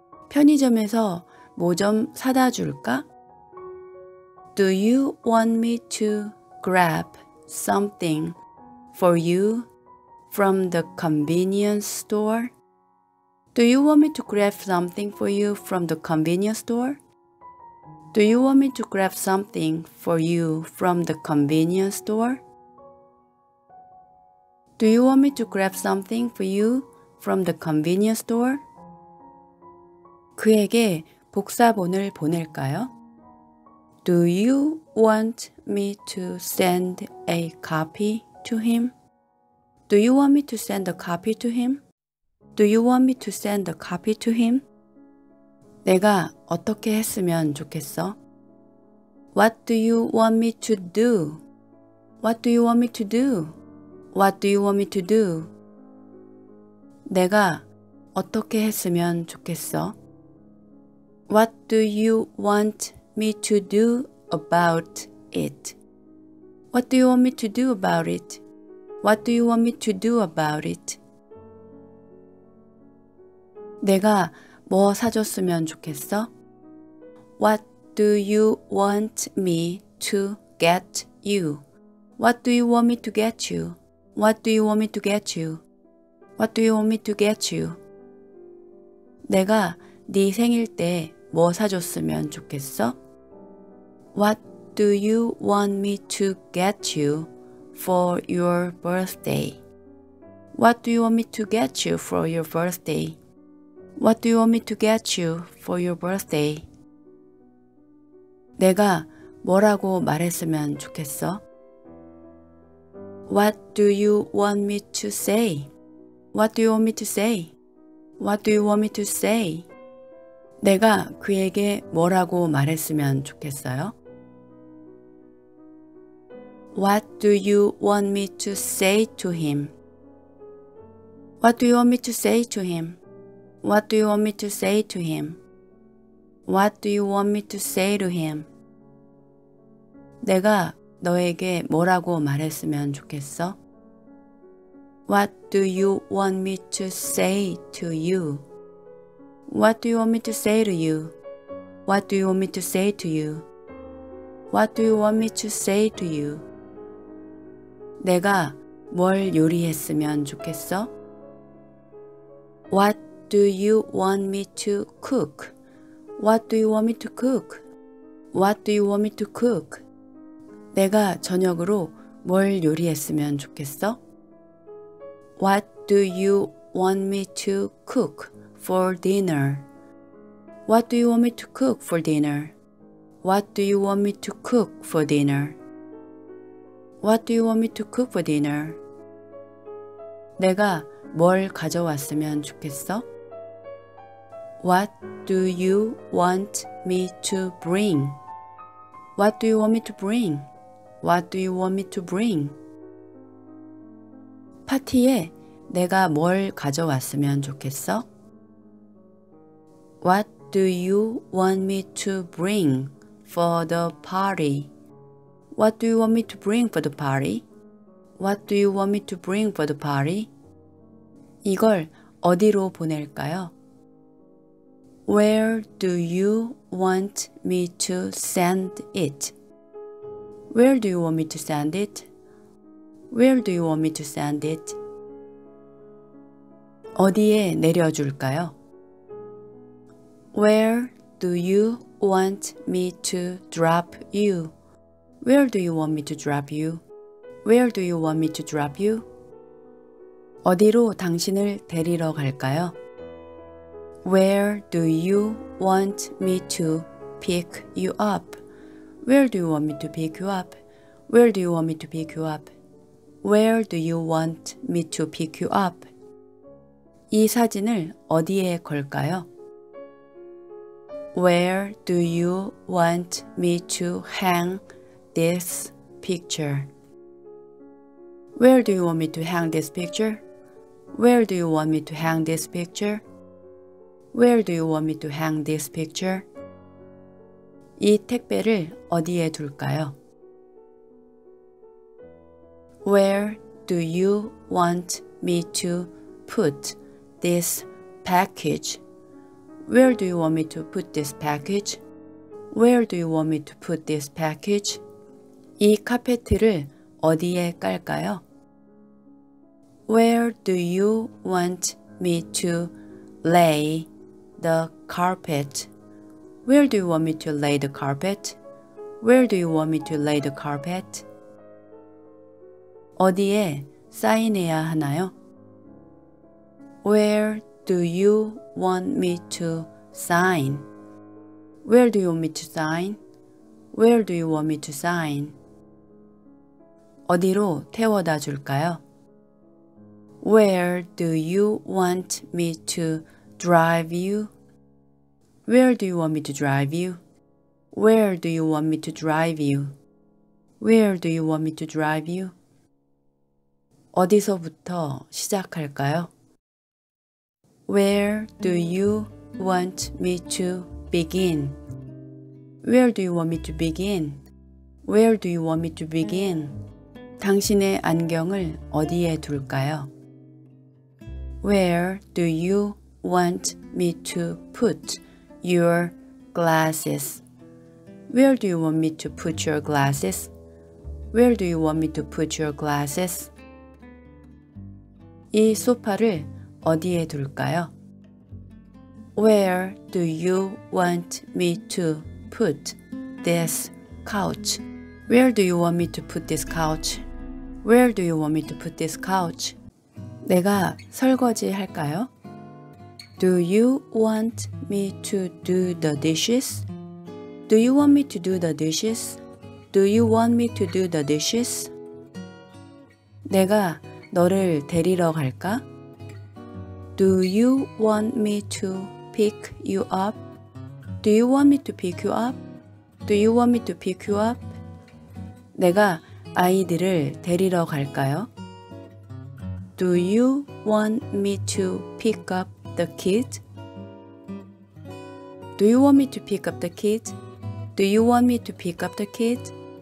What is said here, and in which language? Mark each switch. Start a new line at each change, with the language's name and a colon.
Korean: 편의점에서 뭐 좀 사다 줄까?
English: Do you want me to grab something for you from the convenience store? Do you want me to grab something for you from the convenience store? Do you want me to grab something for you from the convenience store? Do you want me to grab something for you from the convenience store?
Korean: 그에게 복사본을 보낼까요?
English: Do you want me to send a copy to him? Do you want me to send a copy to him? Do you want me to send a copy to him?
Korean: 내가 어떻게 했으면 좋겠어?
English: What do you want me to do? What do you want me to do? What do you want me to do?
Korean: 내가 어떻게 했으면 좋겠어?
English: What do you want me to do about it? What do you want me to do about it? What do you want me to do about it?
Korean: 내가 뭐 사줬으면 좋겠어?
English: What do you want me to get you? What do you want me to get you? What do you want me to get you? What do you want me to get you?
Korean: 내가 네 생일 때 뭐 사줬으면 좋겠어?
English: What do you want me to get you for your birthday? What do you want me to get you for your birthday? What do you want me to get you for your birthday?
Korean: 내가 뭐라고 말했으면 좋겠어?
English: What do you want me to say? What do you want me to say? What do you want me to say?
Korean: 내가 그에게 뭐라고 말했으면 좋겠어요?
English: What do you want me to say to him? What do you want me to say to him? What do you want me to say to him? What do you want me to say to him?
Korean: 내가 너에게 뭐라고 말했으면 좋겠어?
English: What do you want me to say to you? What do you want me to say to you? What do you want me to say to you? What do you want me to say to you?
Korean: 내가 뭘 요리했으면 좋겠어?
English: What do you want me to cook? What do you want me to cook? What do you want me to cook?
Korean: 내가 저녁으로 뭘 요리했으면 좋겠어?
English: What do you want me to cook for dinner? What do you want me to cook for dinner? What do you want me to cook for dinner? What do you want me to cook for dinner?
Korean: 내가 뭘 가져왔으면 좋겠어?
English: What do you want me to bring? What do you want me to bring? What do you want me to bring?
Korean: 파티에 내가 뭘 가져왔으면 좋겠어?
English: What do you want me to bring for the party? What do you want me to bring for the party? What do you want me to bring for the party?
Korean: 이걸 어디로 보낼까요?
English: Where do you want me to send it? Where do you want me to send it? Where do you want me to send it?
Korean: 어디에 내려줄까요?
English: Where do you want me to drop you? Where do you want me to drop you? Where do you want me to drop you?
Korean: 어디로 당신을 데리러 갈까요?
English: Where do you want me to pick you up? Where do you want me to pick you up? Where do you want me to pick you up? Where do you want me to pick you up?
Korean: 이 사진을 어디에 걸까요?
English: Where do you want me to hang this picture? Where do you want me to hang this picture? Where do you want me to hang this picture? Where do you want me to hang this picture?
Korean: 이 택배를 어디에 둘까요?
English: Where Do you want me to put this package? Where do you want me to put this package? Where do you want me to put this package?
Korean: 이 카페트를 어디에 깔까요?
English: Where do you want me to lay the carpet? Where do you want me to lay the carpet? Where do you want me to lay the carpet?
Korean: 어디에 사인해야 하나요?
English: Where do you want me to sign? Where do you want me to sign? Where do you want me to sign?
Korean: 어디로 태워다 줄까요?
English: Where do you want me to drive you? Where do you want me to drive you? Where do you want me to drive you? Where do you want me to drive you?
Korean: 어디서부터 시작할까요?
English: Where do you want me to begin? Where do you want me to begin? Where do you want me to begin?
Korean: 당신의 안경을 어디에 둘까요?
English: Where do you want me to put your glasses? Where do you want me to put your glasses? Where do you want me to put your glasses?
Korean: 이 소파를 어디에 둘까요?
English: Where do you want me to put this couch? Where do you want me to put this couch? Where do you want me to put this couch?
Korean: 내가 설거지 할까요?
English: Do you want me to do the dishes? Do you want me to do the dishes? Do you want me to do the dishes?
Korean: 내가 너를 데리러 갈까?
English: Do you want me to pick you up? Do you want me to pick you up? Do you want me to pick you up?
Korean: 내가 아이들을 데리러 갈까요?
English: Do you want me to pick up the kid? Do you want me to pick up the kid? Do you want me to pick up the kid?